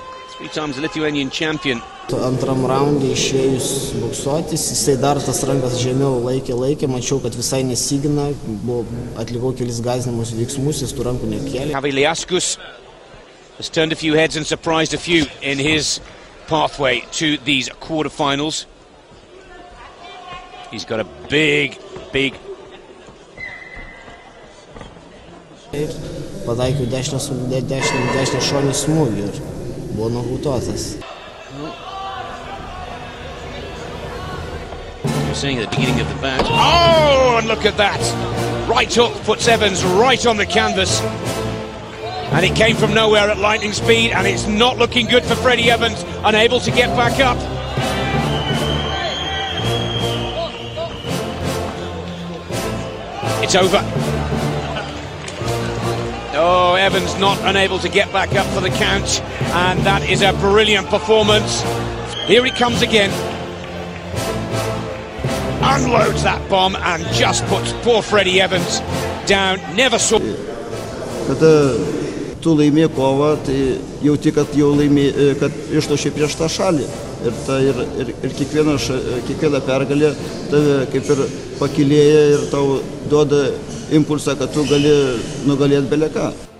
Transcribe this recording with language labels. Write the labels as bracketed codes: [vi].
[en] Three times the Lithuanian champion. [lt] Antram raundui išėjus boksuotis, jisai dar tas rankas žemiau laikė, mačiau, kad visai nesigina, atlikau kelis gazinimus veiksmus, jis tų rankų nekėlė. [en] Javi Liaskus has turned a few heads and surprised a few in his pathway to these quarterfinals. He's got a big. [lt] Pataikiau dešinę šonį smūgį ir buvo nokautuotas. [en] We're seeing the beginning of the bout. Oh, and look at that. Right hook puts Evans right on the canvas. And it came from nowhere at lightning speed, and it's not looking good for Freddie Evans, unable to get back up. It's over. Oh, Evans not unable to get back up for the count, and that is a brilliant performance. Here he comes again. Unloads that bomb and just puts poor Freddie Evans down. Never saw. [lt] Kada tu laimi kovą, tai jauti, kad jau laimi, kad išlošė prieš tą šalį. Ir tai ir kiekviena pergalė tave kaip ir pakilėja ir tau duoda impulsą, kad tu gali nugalėti beleką.